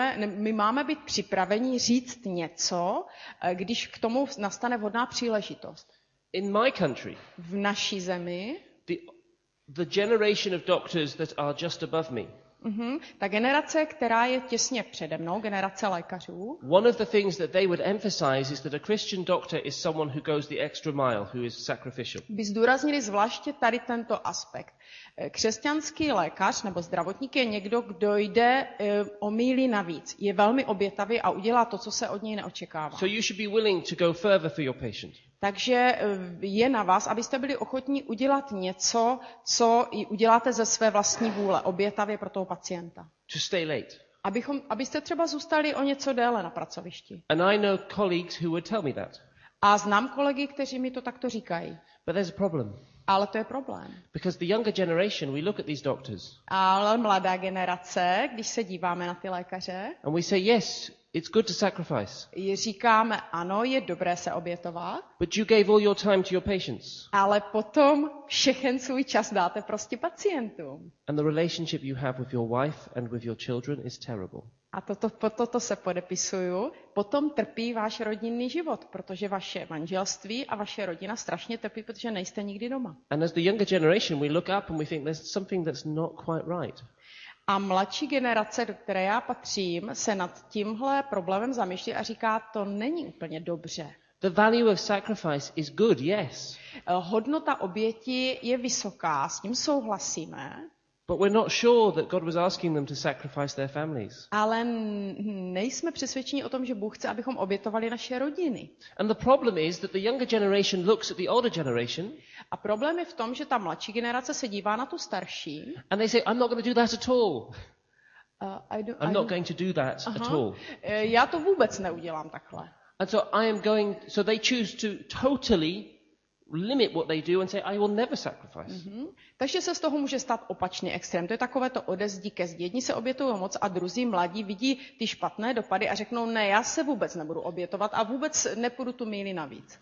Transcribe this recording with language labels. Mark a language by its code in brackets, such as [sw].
[cs] My máme být připraveni říct něco, když k tomu nastane vhodná příležitost. [en] In my country, [cs] v naší zemi, [en] the generation of doctors that are just above me. [cs] Ta generace, která je těsně přede mnou, generace lékařů. [en] One of the things that they would emphasize is that a Christian doctor is someone who goes the extra mile, who is sacrificial. [cs] By zdůraznili zvláště tady tento aspekt. Křesťanský lékař nebo zdravotník je někdo, kdo jde o míli navíc. Je velmi obětavý a udělá to, co se od něj neočekává. [en] So you should be willing to go further for your patient. [cs] Takže je na vás, abyste byli ochotní udělat něco, co uděláte ze své vlastní vůle, obětavě pro toho pacienta. [en] To stay late. [cs] Abyste třeba zůstali o něco déle na pracovišti. [en] And I know colleagues who would tell me that. [cs] A znám kolegy, kteří mi to takto říkají. [en] But there's a problem. [cs] Ale to je problém. [en] Because the younger generation, we look at these doctors. [cs] Ale mladá generace, když se díváme na ty lékaře. [en] And we say yes. It's good to sacrifice. [cs] Je říkáme, ano, je dobré se obětovat. [en] But you gave all your time to your patients. [cs] Ale potom všechen svůj čas dáte prostě pacientům. [en] And the relationship you have with your wife and with your children is terrible. [cs] A toto se podepisuju. Potom trpí váš rodinný život, protože vaše manželství a vaše rodina strašně trpí, protože nejste nikdy doma. [en] And as the younger generation, we look up and we think there's something that's not quite right. [cs] A mladší generace, do které já patřím, se nad tímhle problémem zamýšlí a říká, to není úplně dobře. [en] The value of sacrifice is good, yes. [cs] Hodnota oběti je vysoká, s tím souhlasíme. [en] But we're not sure that God was asking them to sacrifice their families. [cs] Ale nejsme přesvědčeni o tom, že Bůh chce, abychom obětovali naše rodiny. [en] And the problem is that the younger generation looks at the older generation. [cs] A problém je v tom, že ta mladší generace se dívá na tu starší. [en] And they say, I'm not going to do that at all. I'm not going to do that at all. [cs] Já to vůbec neudělám takhle. [en] And so I am going. So they choose to totally limit what they do and say I will never sacrifice. [cs] Takže se z toho může stát opačný extrém. To je takové to ode zdi ke zdi. Jedni se obětují moc a druzí mladí vidí ty špatné dopady a řeknou ne, já se vůbec nebudu obětovat a vůbec nepůjdu tu míli navíc.